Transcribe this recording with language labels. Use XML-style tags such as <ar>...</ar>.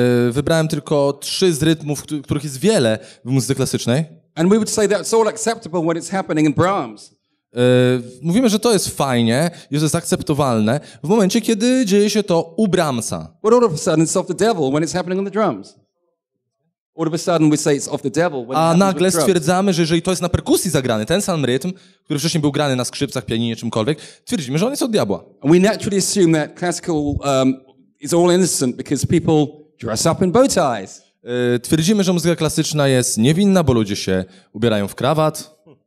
<pl>Wybrałem tylko trzy z rytmów, których jest wiele w muzyce klasycznej.</pl> <en>And we would say that's all acceptable when it's happening in Brahms.</en> <pl>Mówimy, że to jest fajnie, że jest akceptowalne w momencie, kiedy dzieje się to u Brahmsa.</pl> <en>But all of a sudden it's off the devil when it's happening on the drums. All of a sudden we say it's off the devil when</en> <pl>a nagle stwierdzamy, że jeżeli to jest na perkusji zagrany, ten sam rytm, który wcześniej był grany na skrzypcach, pianinie, czymkolwiek, twierdzimy, że on jest od diabła.</pl> <en>And we naturally assume that classical it's all innocent because people dress up in bow ties.</en> <pl>Twierdzimy, że muzyka klasyczna jest niewinna, bo ludzie się ubierają w krawat.</pl>